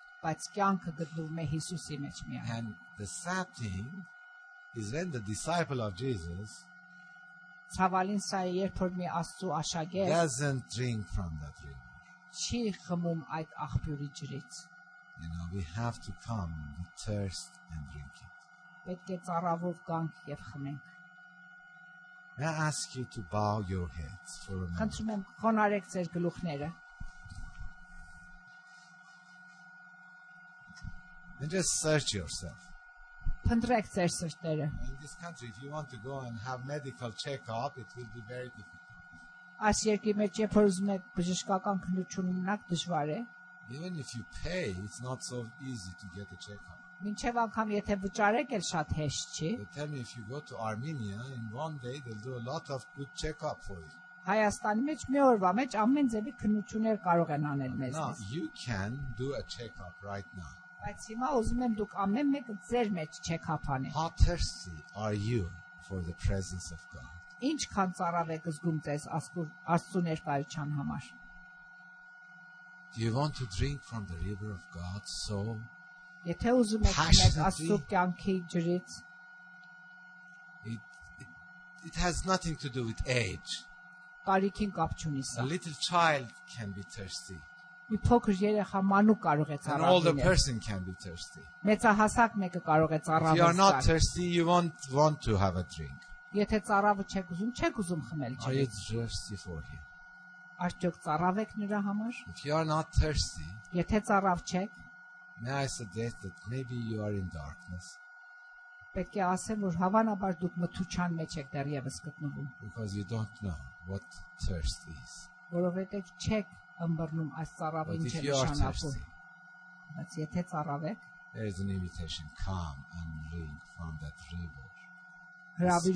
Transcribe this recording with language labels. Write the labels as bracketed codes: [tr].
[hy] Բայց կյանքը գտնվում է Հիսուսի մեջ միայն. [en] And the sad thing is when the disciple of Jesus [hy] ցավալին սա է երբ որ մի Աստծո աշակերտ [en] doesn't drink from that river. [hy] Չի խմում այդ աղբյուրի ջրից. [en] You know, we have to come with thirst and drink it. [hy] Պետք է ծառավով կանք եւ խմենք. [en] I ask you to bow your heads for a moment. [hy] Խնդրում եմ խոնարեք ձեր գլուխները. [en] And just search yourself. In this country, if you want to go and have medical check-up, it will be very difficult. Even if you pay, it's not so easy to get a check-up. But tell me, if you go to Armenia, in one day, they'll do a lot of good check-up for you. [hy] Հայաստանի մեջ մի օրվա մեջ ամեն ձևի քննություններ կարող են անել մեզ։ [en] Now, you can do a check-up right now. [hy] Բայց հիմա ուզում եմ դուք ամեն մեկը ձեր մեջ check-up անեք։ [en] How thirsty are you for the presence of God? [hy] Ինչքան ծառավ եք զգում ձեզ Աստծո ներկայության համար։ [en] Do you want to drink from the river of God so? [hy] Եթե ուզում եք մենք Աստծո կյանքի ջրից։ [en] It has nothing to do with age. [hy] Կարիքին կապ չունի սա։ [en] A little child can be thirsty. [hy] Մի փոքր երեխա մանուկ կարող է ծառավել։ [en] All the person can be thirsty. [hy] Մեծահասակ մեկը կարող է ծառավել։ [en] You are not thirsty, you won't want to have a drink. [hy] Եթե ծառավը չեք ուզում, չեք ուզում խմել ջրից։ [en] Are you thirsty for him? [hy] արդյոք ծառավ եք նրա համար? [en] If you are not thirsty, [hy] եթե ծառավ չեք, [en] may I suggest that maybe you are in darkness? [hy] Պետք է ասեմ, որ հավանաբար դուք մթության մեջ եք դեռևս գտնվում. [en] Because you don't know what thirst is. [hy] Որովհետև չեք ըմբռնում այս ծառավի ինչ նշանակում. Բայց եթե ծառավ եք, [en] there is an invitation, come and drink from that river.